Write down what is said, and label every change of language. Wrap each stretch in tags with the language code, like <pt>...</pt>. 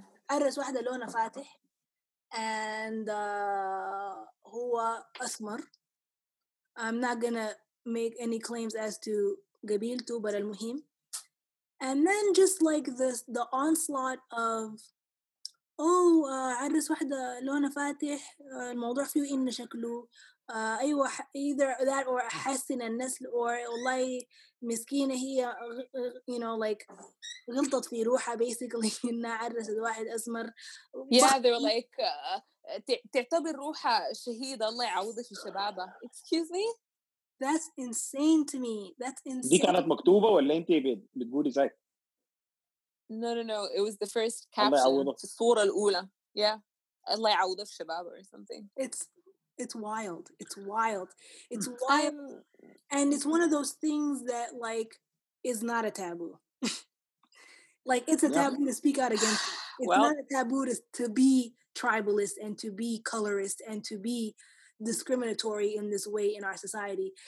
<ar>عرس واحدة لونه فاتح, and هو أسمر.</ar> <en>I'm not gonna make any claims as to</en> <ar>قبيلته,</ar> <en>but</en> <ar>المهم.</ar> <en>And then just like the onslaught of,</en> <ar>عرس واحدة لونه فاتح, الموضوع فيه إن شكله, أيوه,</ar> <en>either that or</en> <ar>حسن النسل, or والله مسكينة هي,</ar> <en>you know, like,</en> <ar>غلطت في روحها,</ar> <en>basically,</en> <ar>إنها عرست واحد أسمر.</ar> <en>Yeah, they're like,</en> <ar>تعتبر روحها شهيدة, الله يعوضها في شبابها.</ar> <en>Excuse me? That's insane to me. That's insane.</en> <ar>دي كانت مكتوبة ولا انت بتقولي زي؟</ar> <en>No. It was the first caption.</en> <ar>في الصورة الأولى. Yeah. الله يعوضها في شبابها</ar> <en>or something. It's wild. It's wild. And it's one of those things that, like, is not a taboo. Like, it's a taboo to speak out against it. It's not a taboo to be tribalist and to be colorist and to be discriminatory in this way in our society.</en>